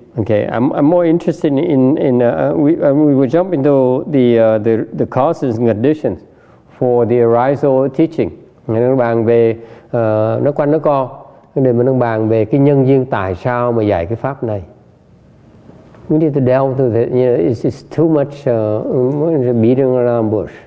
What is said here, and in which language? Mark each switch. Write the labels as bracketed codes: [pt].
[en] Okay, I'm more interested we will jump into the causes and conditions for the arisal teaching. [vi] Ngài nói bàn về nó quanh nó co để mà nó bàn về cái nhân duyên tại sao mà dạy cái pháp này. [en] We need to delve into that. You know, it's too much beating around bush.